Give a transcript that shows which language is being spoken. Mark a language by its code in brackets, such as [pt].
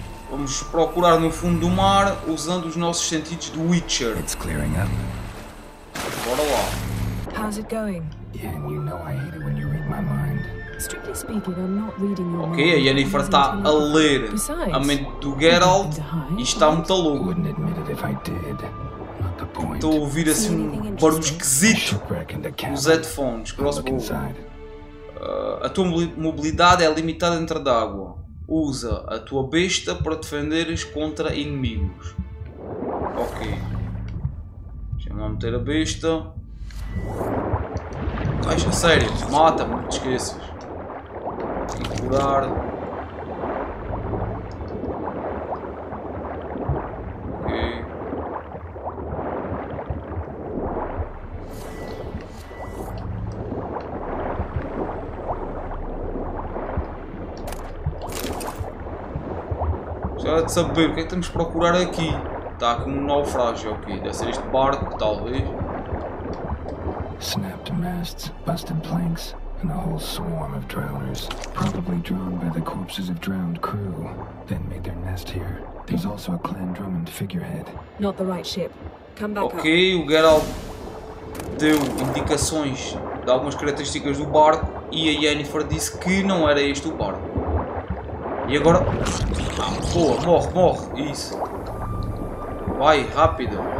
[pt] Vamos procurar no fundo do mar usando os nossos sentidos do Witcher. [en] It's clearing up. [pt] Bora lá. [en] How's it going? Yeah, and you know I hate it when you read my mind. Strictly speaking, I'm not reading your mind. [pt] Ok, a Yennefer está a ler a mente do Geralt e está muito louco. [en] I wouldn't admit it if I did. Not the point. [pt] Estou a ouvir assim um barulho esquisito nos headphones. [en] Crossbow. [pt] A tua mobilidade é limitada dentro da água. Usa a tua besta para defenderes contra inimigos. Ok. Deixa-me meter a besta. Deixa, sério, mata-me, não te esqueças. E curar. Ok. Gostava de saber o que é que temos de procurar aqui. Está com um naufrágio aqui. Deve ser este barco, talvez. [en] Snapped masts, busted planks, and a whole swarm of drowners. Probably drawn by the corpses of drowned crew, then made their nest here. There's also a Clan Drummond figurehead. Not the right ship. Come back. [pt] Ok, o Geralt deu indicações de algumas características do barco e a Yennefer disse que não era este o barco. E agora. Ah, porra, morre, morre. Isso. Vai, rápido.